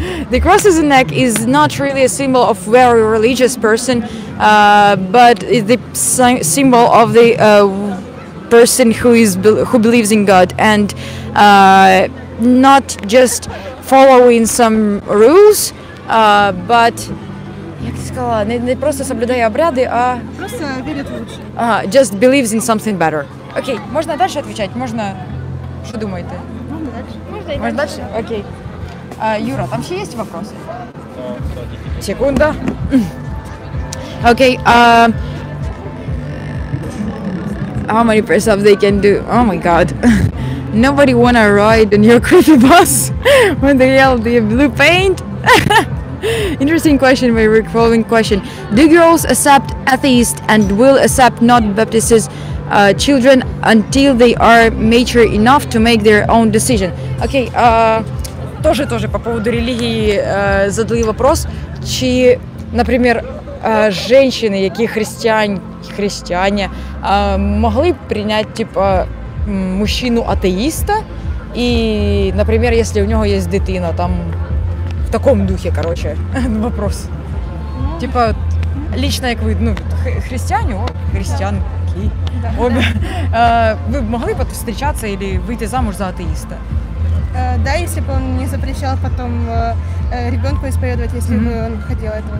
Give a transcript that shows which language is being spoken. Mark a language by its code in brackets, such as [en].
[en] The cross on the neck is not really a symbol of very religious person, but the symbol of the person who is who believes in God and not just following some rules. But [uk] як ти сказала, не просто соблюдає обряди, а просто вірить в лучше. [en] Just believes in something better. [uk] Окей, okay, можна далі відповідати? Можна. Що думаєте? Можна далі. Окей. Юра, там ще є питання? Так, секунда. [en] Окей, how many press ups they can do? Oh my god. Nobody wanna ride on your creepy bus when they yell the blue paint. Interesting question, my recalling question. Do girls accept atheists and will accept not baptized children until they are mature enough to make their own decision? [uk] Окей, теж по поводу релігії задали вопрос, чи, наприклад, жінки, які християни, могли б прийняти типа мужчину-атеїста і, наприклад, якщо у нього є дитина, там в таком духе, короче, вопрос. [ru] Ну, типа, лично, как вы, ну, христиане, о, христианки, да. Обе. Да. Вы могли бы встречаться или выйти замуж за атеиста? Да, если бы он не запрещал потом ребенку исповедовать, если бы он хотел этого.